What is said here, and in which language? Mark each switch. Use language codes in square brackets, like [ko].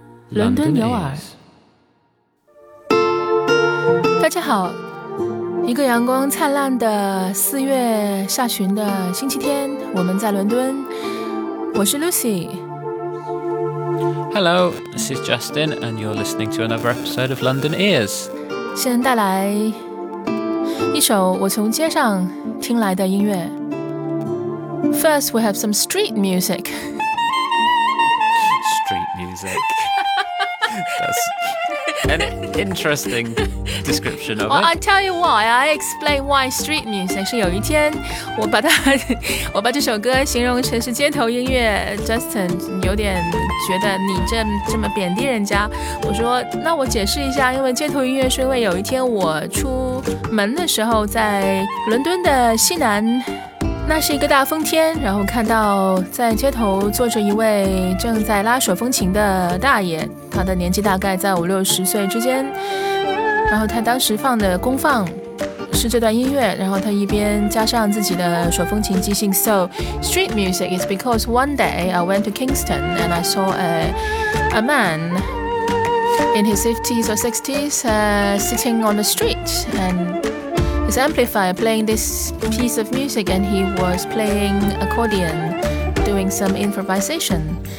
[zh] 伦敦有耳，大家好，一个阳光灿烂的四月下旬的星期天，我们在伦敦，我是 Lucy。 [en] Hello, this is Justin and you're listening to another episode of London Ears。 [zh] 先带来一首我从街上听来的音乐。 [en] First we have some street music. Street music. That's an interestingdescription of it. Well, I tell you why. I explain why street music. [zh] 是有一天我把这首歌形容成是街头音乐。 Justin 有点觉得你这么贬低人家。我说那我解释一下，因为街头音乐是因为有一天我出门的时候，在伦敦的西南，那是一个大风天，然后看到在街头坐着一位正在拉手风琴的大爷，他的年纪大概在五六十岁之间。然后他当时放的功放是这段音乐，然后他一边加上自己的手风琴即兴。 [en] So street music is because one day I went to Kingston and I saw a man in his 50s or 60s sitting on the street and his amplifier playing this piece of music and he was playing accordion doing some improvisation.